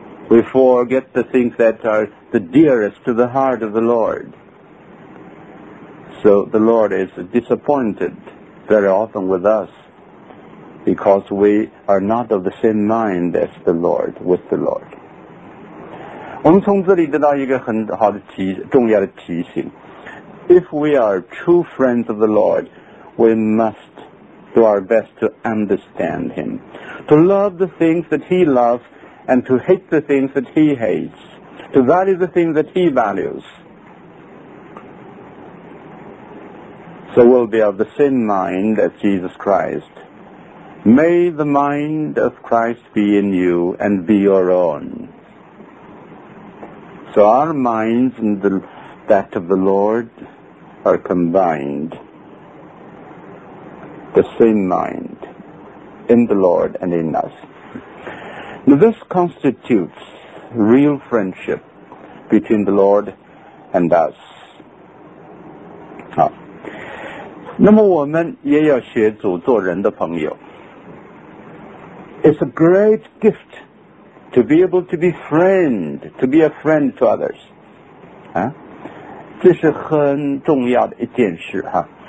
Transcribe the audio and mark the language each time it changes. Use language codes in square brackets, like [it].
[en] We forget the things that are the dearest to the heart of the Lord. So the Lord is disappointed very often with us because we are not of the same mind as the Lord, with the Lord. [zh] 我们从这里得到一个很好的重要的提醒。 [en] If we are true friends of the Lord, we must. Do our best to understand him, to love the things that he loves and to hate the things that he hates, to value the things that he values. So we'll be of the same mind as Jesus Christ. May the mind of Christ be in you and be your own. So our minds and that of the Lord are combined. The same mind in the Lord and in us. Now this constitutes real friendship between the Lord and us. [zh] 好，那么我们也要学主做人的朋友。 [en] It's a great gift to be able to be friend, to be a friend to others. [zh] 啊，这是很重要的一件事哈。